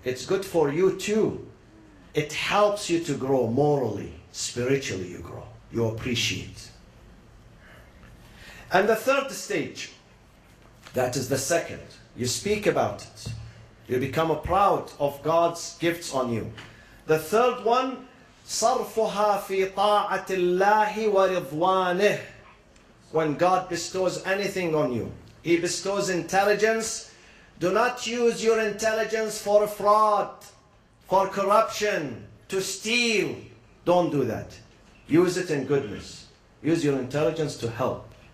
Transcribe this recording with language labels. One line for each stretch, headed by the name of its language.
English: It's good for you too. It helps you to grow morally, spiritually you grow. You appreciate. And the third stage, that is the second. You speak about it. You become proud of God's gifts on you. The third one,
Arabic: صَرْفُهَا فِي طَاعَةِ اللَّهِ وَرِضْوَانِهِ.
English: When God bestows anything on you, He bestows intelligence. Do not use your intelligence for fraud, for corruption, to steal. Don't do that. Use it in goodness. Use your intelligence to help.